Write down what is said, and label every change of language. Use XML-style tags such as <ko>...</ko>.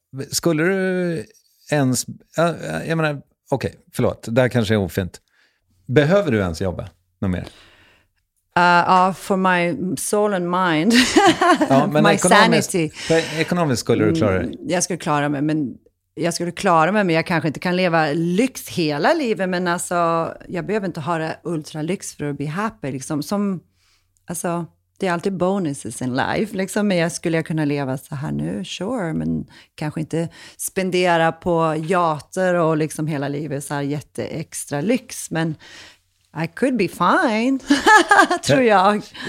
<sv>Skulle du ens, jag menar, okej, okay, förlåt, det här kanske är ofint. Behöver du ens jobba något mer?</sv> <en>For my soul and mind, my sanity.</en> <sv>Ekonomiskt skulle du klara det? Jag skulle klara mig, men jag kanske inte kan leva lyx hela livet, men alltså, jag behöver inte ha det ultra lyx för att</sv> <en>be happy,</en> <sv>liksom. Som, alltså, det är alltid</sv> <en>bonuses in life,</en> <sv>liksom. Men skulle jag kunna leva så här nu, sure, men kanske inte spendera på jater och liksom hela livet så här jätteextra lyx, men</sv> <en>I could be fine,</en> <sv>tror jag.</sv>